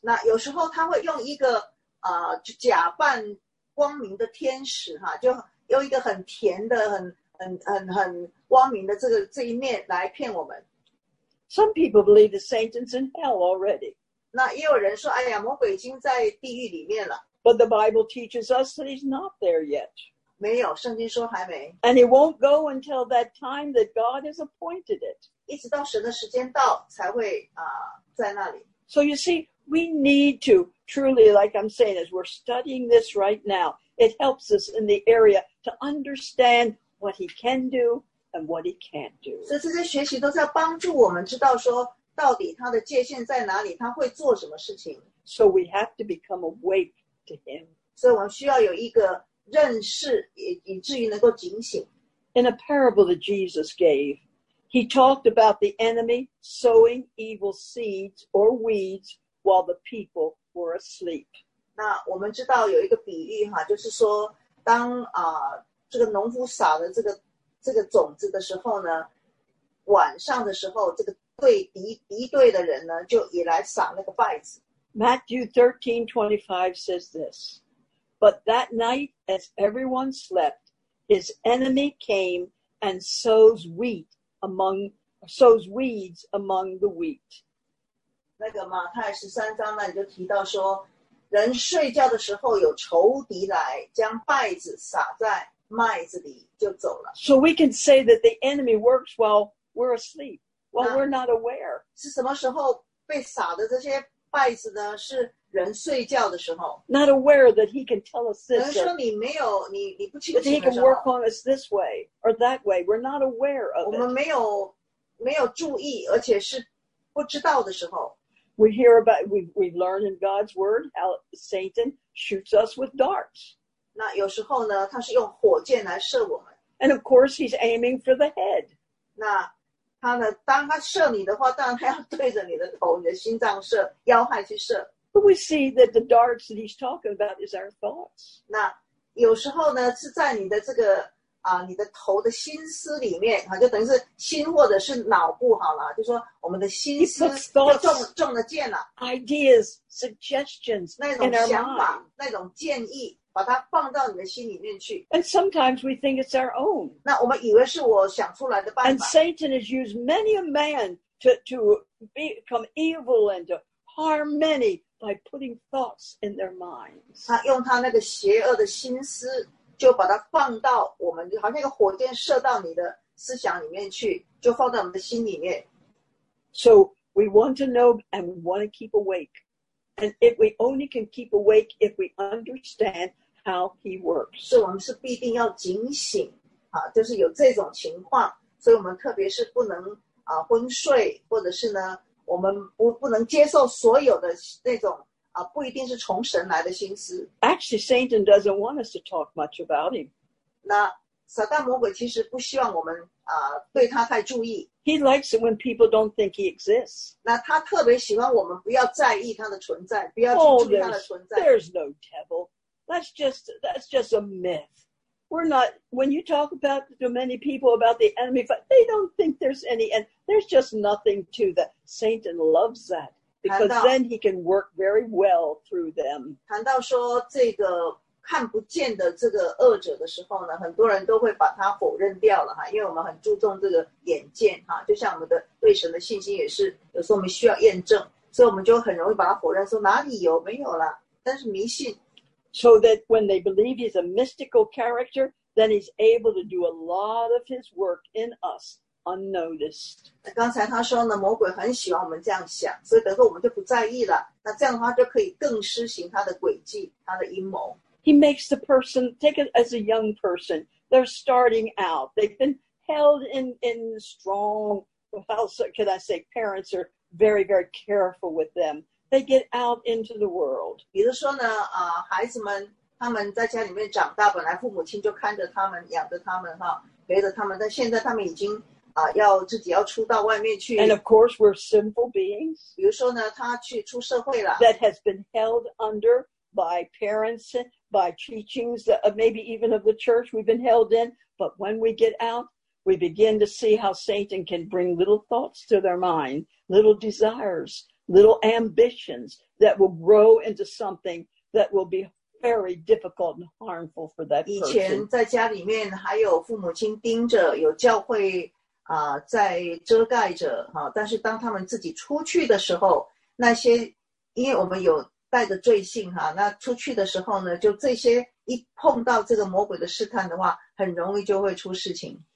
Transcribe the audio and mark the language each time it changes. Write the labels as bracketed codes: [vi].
[zh] 那有时候他会用一个假扮。光明的天使哈，就用一个很甜的、很光明的这一面来骗我们。 [en] Some people believe the Satan's in hell already. [zh] 那也有人说，哎呀，魔鬼已经在地狱里面了。 [en] But the Bible teaches us that he's not there yet. [zh] 没有，圣经说还没。 [en] And he won't go until that time that God has appointed it. [zh] 一直到神的时间到才会在那里。 [en] So you see. We need to truly, like I'm saying, as we're studying this right now, it helps us in the area to understand what he can do and what he can't do. [zh] So, 这些学习都是要帮助我们知道说到底他的界限在哪里，他会做什么事情。 [en] So we have to become awake to him. [zh] 所以我们需要有一个认识，以至于能够警醒。 [en] In a parable that Jesus gave, he talked about the enemy sowing evil seeds or weeds. While the people were asleep. [zh] 那我们知道有一个比喻哈，就是说当这个农夫撒了这个种子的时候呢，晚上的时候，这个敌对的人呢，就也来撒那个稗子。 [en] Matthew 13:25 says this, but that night as everyone slept, his enemy came and sows weeds among the wheat. [zh] 那个马太十三章呢，你就提到说，人睡觉的时候有仇敌来，将稗子撒在麦子里就走了。 [en] So we can say that the enemy works while we're asleep, while we're not aware. [zh] 是什么时候被撒的这些稗子呢？是人睡觉的时候。 [en] Not aware that he can tell us this. [zh] 有人说你没有，你不清楚的时候。 [en] That he can work on us this way or that way. We're not aware of it. [zh] 我们没有注意，而且是。不知道的时候 [en] we hear about we learn in God's word how Satan shoots us with darts. [zh] 那有时候呢，他是用火箭来射我们。 [en] And of course, he's aiming for the head. [zh] 那他呢，当他射你的话，当然他要对着你的头、你的心脏射、腰害去射。 [en] But we see that the darts that he's talking about is our thoughts. [zh] 那有时候呢，是在你的这个你的头的心思里面，就等于是心或者是脑部好了，就说我们的心思就中了箭了。 [en] Ideas, suggestions, [zh] 那种想法，那种建议，把它放到你的心里面去。 [en] And sometimes we think it's our own. [zh] 那我们以为是我想出来的办法。 [en] And Satan has used many a man to become evil and to harm many by putting thoughts in their minds. [zh] 他用他那个邪恶的心思。就把它放到我们，好像一个火箭射到你的思想里面去，就放在我们的心里面。 [en] So we want to know and we want to keep awake, and if we only can keep awake if we understand how he works. [zh] 所以我们是必定要警醒啊，就是有这种情况，所以我们特别是不能昏睡，或者是呢，我们不能接受所有的那种。不一定是从神来的心思。 [en] Actually, Satan doesn't want us to talk much about him. [zh] 那撒旦魔鬼其实不希望我们对他太注意。 [en] He likes it when people don't think he exists. [zh] 那他特别喜欢我们不要在意他的存在，不要去注意他的存在。 [en] There's no devil. That's just a myth. We're not. When you talk about to many people about the enemy, they don't think there's any, and there's just nothing to that. Satan loves that. Because then he can work very well through them. [zh] 谈到说这个看不见的这个恶者的时候呢，很多人都会把它否认掉了哈，因为我们很注重这个眼见哈，就像我们的对神的信心也是，有时候我们需要验证，所以我们就很容易把它否认，说哪里有没有啦，但是迷信。 [en] so that when they believe he's a mystical character, then he's able to do a lot of his work in us unnoticed. [zh] 刚才他说呢，魔鬼很喜欢我们这样想，所以等于我们就不在意了。那这样的话就可以更施行他的诡计，他的阴谋。 [en] He makes the person, take it as a young person, they're starting out. They've been held in strong, parents are very, very careful with them. They get out into the world. [zh] 比如说呢，孩子们他们在家里面长大，本来父母亲就看着他们，养着他们，哈，陪着他们，但现在他们已经要自己要出到外面去。 [en] And of course, we're sinful beings. [zh] 比如说呢，他去出社会了。 [en] That has been held under by parents, by teachings, maybe even of the church we've been held in. But when we get out, we begin to see how Satan can bring little thoughts to their mind, little desires, little ambitions that will grow into something that will be very difficult and harmful for that person. [zh] 以前在家里面还有父母亲盯着，有教会在遮盖着，但是当他们自己出去的时候，那些因为我们有带着罪性，那出去的时候呢，就这些一碰到这个魔鬼的试探的话，很容易就会出事情。